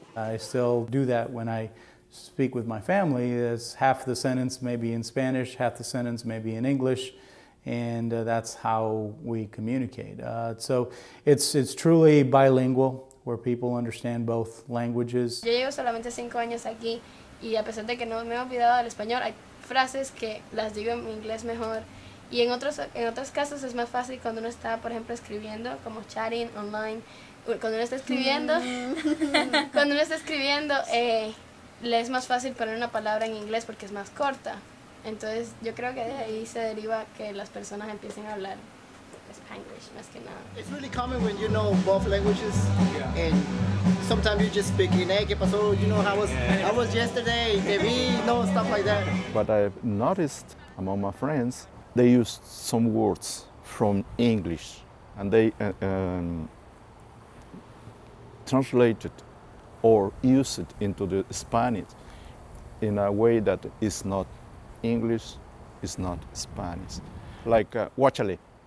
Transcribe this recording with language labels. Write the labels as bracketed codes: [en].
[en] I still do that when I speak with my family, as half the sentence may be in Spanish, half the sentence may be in English, and that's how we communicate. So it's truly bilingual, where people understand both languages. [es] Yo llevo solamente 5 años aquí, y a pesar de que no me he olvidado del español, hay frases que las digo en inglés mejor. Y en otros casos es más fácil cuando uno está, por ejemplo, escribiendo, como [en] chatting online. [es] Cuando uno está escribiendo, le es más fácil poner una palabra en inglés porque es más corta. Entonces, yo creo que de ahí se deriva que las personas empiecen a hablar Spanglish más que nada. [en] It's really common when you know both languages, yeah. And sometimes you just speak in, hey, [es] ¿qué pasó? [en] You know, how was yesterday? [es] Te vi, no, [en] stuff like that. But I've noticed among my friends, they use some words from English, and they translated or use it into the Spanish in a way that is not English, is not Spanish. Like guachale.